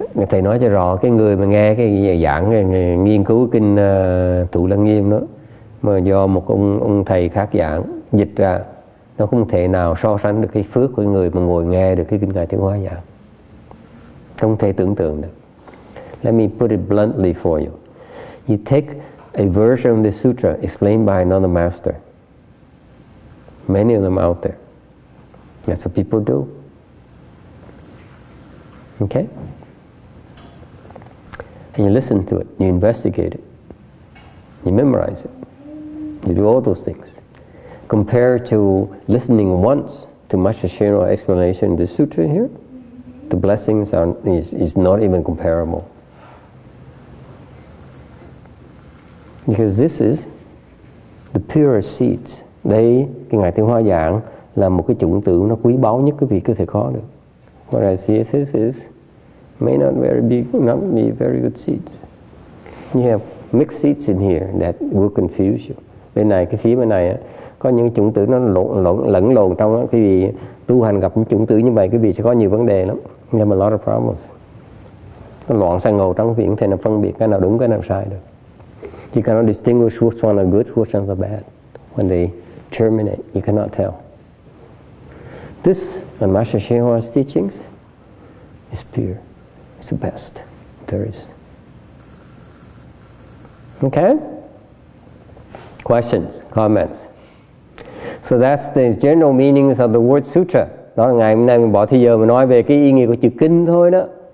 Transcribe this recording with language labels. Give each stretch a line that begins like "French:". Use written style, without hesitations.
Vietnamese: Thầy nói cho rõ, cái người mà nghe cái giảng nghiên cứu kinh Thủ Lăng Nghiêm đó, mà do một ông thầy khác giảng dịch ra, nó không thể nào so sánh được cái phước của người mà ngồi nghe được cái kinh ngài Tiếng Hoa giảng, không thể tưởng tượng được.
English: Let me put it bluntly for you. You take a version of the sutra explained by another master. Many of them out there. That's what people do. Okay? And you listen to it, you investigate it, you memorize it, you do all those things. Compared to listening once to Master Srinivas' explanation in the sutra here, the blessings is not even comparable. Because this is the purest seeds.
Vietnamese: Đây, cái Ngài Tiếng Hoa giảng là một cái chủng tử nó quý báu nhất quý vị có thể có được.
English: What I see is this is may not very be not be very good seeds. You have mixed seeds in here that will confuse you.
Vietnamese: Bên này, cái phía bên này á, có những chủng tử nó lẫn lộn trong á, quý vị tu hành gặp những chủng tử như vậy, quý vị sẽ có nhiều vấn đề lắm.
English: You have a lot of problems.
Vietnamese: Nó loạn sang ngầu trong viện, thế nào phân biệt cái nào đúng cái nào sai được.
English: You cannot distinguish which one are good, which one are bad. When they terminate, you cannot tell. This and Master Srinivas' teachings is pure. It's the best there is. Okay? Questions, comments. So that's the general meanings of the word sutra.
Vietnamese: Đó là ngày hôm nay mình bỏ thời giờ mà nói về cái ý nghĩa của chữ kinh thôi đó.